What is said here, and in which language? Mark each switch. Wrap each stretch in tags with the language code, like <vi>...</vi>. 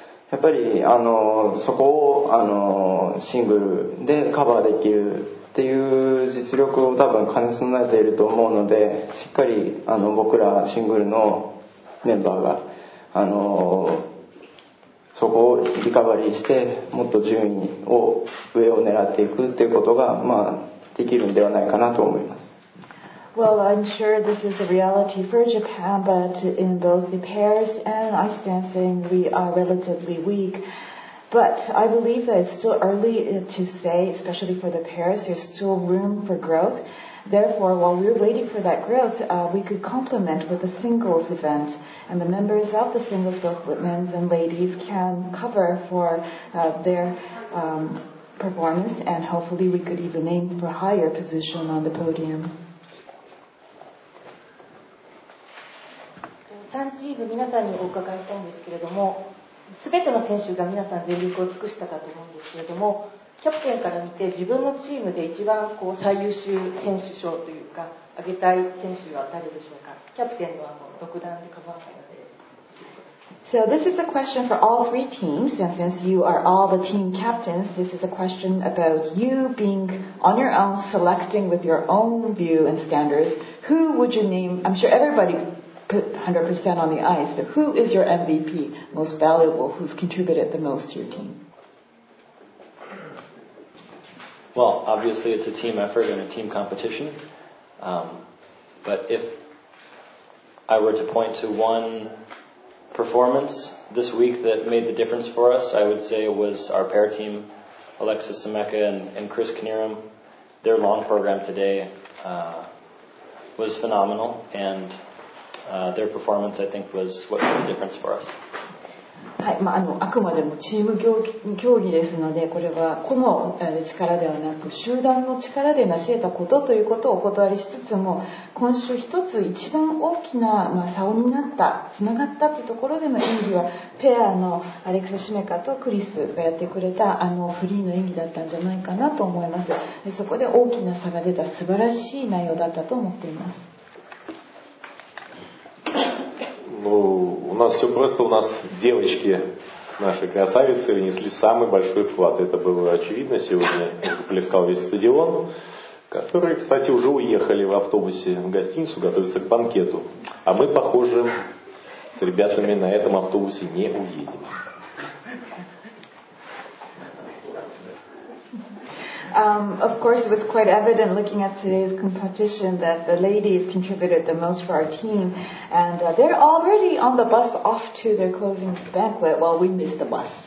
<ja>やっぱりあのそこをあのシングルでカバーできるっていう実力を多分兼ね備えていると思うので、しっかりあの僕らシングルのメンバーがあのそこをリカバリーしてもっと順位を上を狙っていくっていうことが、まあ、できるんではないかなと思います。</ja> <en>Well, I'm sure this is a reality for Japan, but in both the pairs and ice dancing, we are relatively weak. But I believe that it's still early to say, especially for the pairs, there's still room for growth. Therefore, while we're waiting for that growth, we could complement with a singles event. And the members of the singles, both men and ladies, can cover for their performance. And hopefully, we could even aim for a higher position on the podium.</en> <ja>3チーム皆さんにお伺いしたいんですけれども、すべての選手が皆さん全力を尽くしたかと思うんですけれども、キャプテンから見て自分のチームで一番こう最優秀選手賞というか挙げたい選手は誰でしょうか。キャプテンとはもう独断で構わないので。</ja> <en>So this is a question for all three teams, and since you are all the team captains, this is a question about you being on your own selecting with your own view and standards. Who would you name? I'm sure everybodyput 100% on the ice, but who is your MVP, most valuable, who's contributed the most to your team? Well, obviously it's a team effort and a team competition, but if I were to point to one performance this week that made the difference for us, I would say it was our pair team, Alexis Semeca and Chris Knierim. Their long program today was phenomenal, andtheir performance, I think, was what made the difference for us.</en> <ja>はい、まあ、あの、あくまでもチーム競技ですので、これは個の力ではなく集団の力で成し得たことということをお断りしつつも、今週一つ一番大きな、まあ、差を担った、つながったというところでの演技はペアのアレクサ・シメカとクリスがやってくれたあのフリーの演技だったんじゃないかなと思います。で、そこで大きな差が出た素晴らしい内容だったと思っています。</ja> <ru>Ну, у нас все просто, у нас девочки, наши красавицы, внесли самый большой вклад. Это было очевидно сегодня, плескал весь стадион, которые, кстати, уже уехали в автобусе в гостиницу, готовятся к банкету. А мы, похоже, с ребятами на этом автобусе не уедем.</ru> <en>Of course, it was quite evident looking at today's competition that the ladies contributed the most for our team. And they're already on the bus off to their closing banquet while we missed the bus.</en>